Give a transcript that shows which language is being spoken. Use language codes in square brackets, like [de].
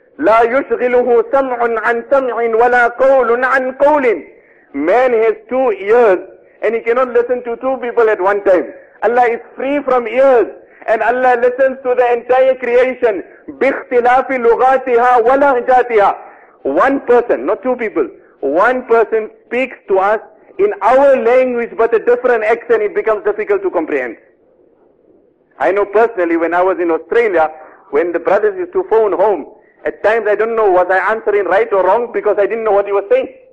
[ar] لا يشغله سمع عن سمع ولا قول عن قول. [en] Man has two ears and he cannot listen to two people at one time. Allah is free from ears and Allah listens to the entire creation. [ar] باختلاف لغاتها ولهجاتها. [en] One person, not two people. One person speaks to us in our language but a different accent, it becomes difficult to comprehend. I know personally when I was in Australia, when the brothers used to phone home, at times I don't know was I answering right or wrong because I didn't know what he was saying.